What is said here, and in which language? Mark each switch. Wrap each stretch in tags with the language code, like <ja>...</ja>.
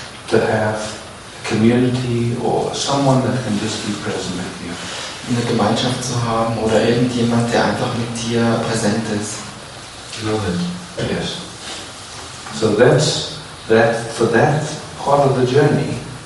<en>To have community or someone that can just be present with you.</en> <de>Eine Gemeinschaft zu haben oder irgendjemand, der einfach mit dir präsent ist.</de> <en>Love it. Yes. So that's that for that part of the journey.</en>